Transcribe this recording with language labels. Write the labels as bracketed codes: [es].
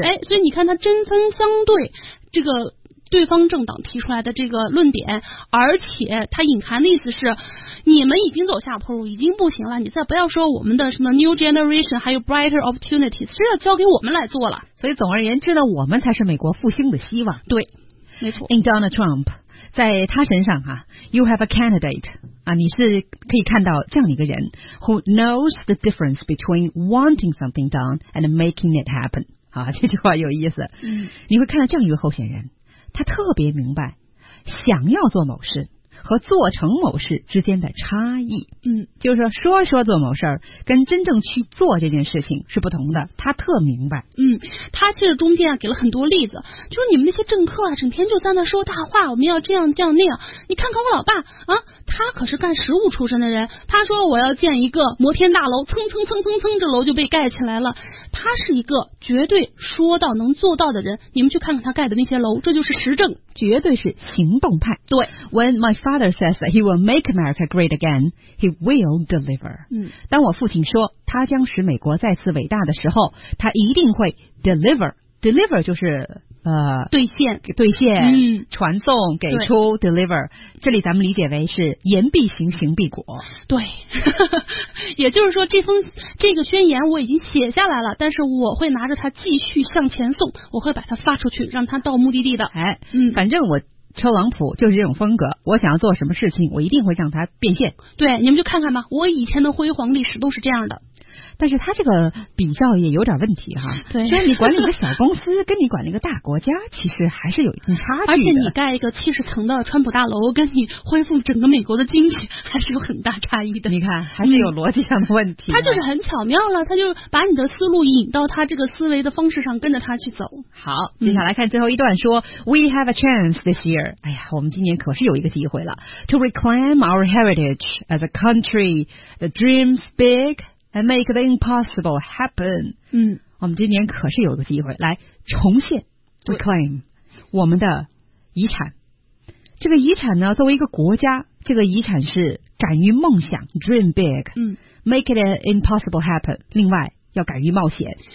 [zh] 哎，所以你看他针锋相对这个对方政党提出来的这个论点，而且他隐含的意思是你们已经走下坡路，已经不行了，你再不要说我们的什么 [en] new generation [zh] 还有 [en] brighter opportunities， [zh] 这要交给我们来做了。所以总而言之呢，我们才是美国复兴的希望。对，没错。 [en] In Donald Trump， [zh] 在他身上哈、啊、 [en] you have a candidate。 [zh] 啊，你是可以看到这样一个人 [en] ，who knows the difference between wanting something done and making it happen。 [zh] 啊，这句话有意思。嗯，你会看到这样一个候选人，他特别明白想要做某事和做成某事之间的差异。嗯，就是说做某事儿，跟真正去做这件事情是不同的。他特明白。嗯，他其实中间啊给了很多例子，就是你们那些政客啊，整天就在那说大话，我们要这样这样那样。你看看我老爸啊。他可是干实务出身的人，他说我要建一个摩天大楼，蹭蹭蹭蹭蹭，这楼就被盖起来了。他他是一个绝对说到能做到的人，你们去看看他盖的那些楼，这就是实证，绝对是行动派。对， [en] When my father says that he will make America great again, he will deliver. [zh] 当我父亲说他将使美国再次伟大的时候，他一定会 deliver。 Deliver 就是兑现，兑现，嗯，传送，给出 deliver， 这里咱们理解为是言必行，行必果。对，也就是说这个宣言我已经写下来了，但是我会拿着它继续向前送，我会把它发出去，让它到目的地的。哎，反正我特朗普就是这种风格，我想要做什么事情，我一定会让它变现。对，你们就看看吧，我以前的辉煌历史都是这样的。但是他这个比较也有点问题哈，对，虽然你管理一个小公司跟你管理一个大国家其实还是有一定差距的，而且你盖一个70层的川普大楼跟你恢复整个美国的经济还是有很大差异的，你看还是有逻辑上的问题。他就是很巧妙了，他就把你的思路引到他这个思维的方式上，跟着他去走。好，接下来看最后一段，说 [en] We have a chance this year， [zh] 哎呀，我们今年可是有一个机会了， [en] To reclaim our heritage as a country The dreams bigAnd make the impossible happen. [zh] 我们今年可是有个机会来重现 reclaim 我们的遗产。这个遗产呢，作为一个国家，这个遗产是敢于梦想 [en] dream big。 Make it an impossible happen。 [zh] 另外，要敢于冒险，